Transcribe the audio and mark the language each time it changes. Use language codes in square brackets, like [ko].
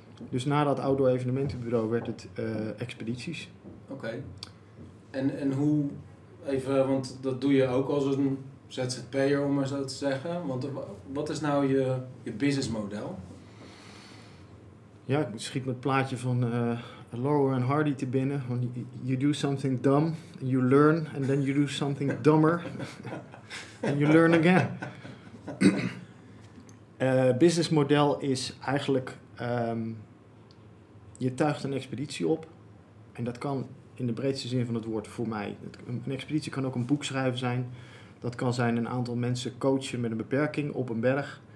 [nl] Dus na dat outdoor evenementenbureau werd het expedities. Oké. En hoe, even, want dat doe je ook als een ZZP'er, om maar zo te zeggen. Want wat is nou je businessmodel? Ja, ik schiet met het plaatje van Laurel en Hardy te binnen. [en] When you do something dumb, you learn, and then you do something dumber, and you learn again. [nl] Business model is eigenlijk, je tuigt een expeditie op. En dat kan in de breedste zin van het woord voor mij. Een expeditie kan ook een boek schrijven zijn. Dat kan zijn een aantal mensen coachen met een beperking op een berg.